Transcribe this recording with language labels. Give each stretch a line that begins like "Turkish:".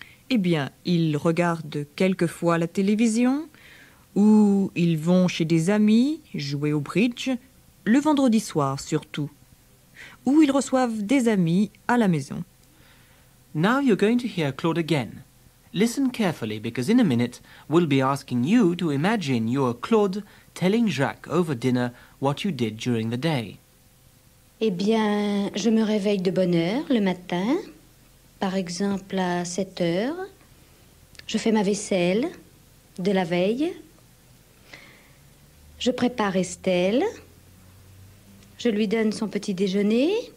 French: Eh bien, ils regardent quelquefois la télévision ou ils vont chez des amis jouer au bridge, le vendredi soir surtout. Ou ils reçoivent des amis à la maison.
English: Now you're going to hear Claude again. Listen carefully, because in a minute, we'll be asking you to imagine you're Claude telling Jacques over dinner what you did during the day.
French: Eh bien, je me réveille de bonne heure le matin, par exemple à 7h. Je fais ma vaisselle de la veille. Je prépare Estelle. Je lui donne son petit déjeuner.